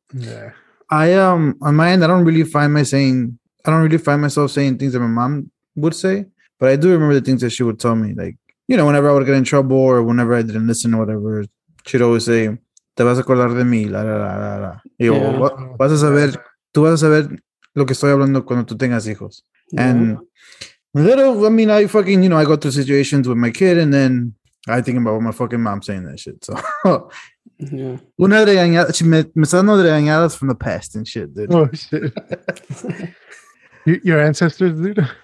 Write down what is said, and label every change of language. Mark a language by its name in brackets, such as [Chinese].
[English] Yeah. On my end, I don't really find myself saying things that my mom would say, but I do remember the things that she would tell me, like, you know, whenever I would get in trouble or whenever I didn't listen or whatever, she'd always say, [Spanish] te vas a acordar de mí, la, la, [English] la, la, la. [Spanish] Y yo, [English] yeah. [Spanish] Vas a saber, tú vas a saber lo que estoy hablando cuando tú tengas hijos. [English] Yeah. And little, I mean, I fucking, you know, I go through situations with my kid and then I think about what my fucking mom saying that shit, so... Yeah. [Spanish] Una regañada, me están dando regañadas [English] from the past and shit, dude. Oh shit. Your ancestors, dude?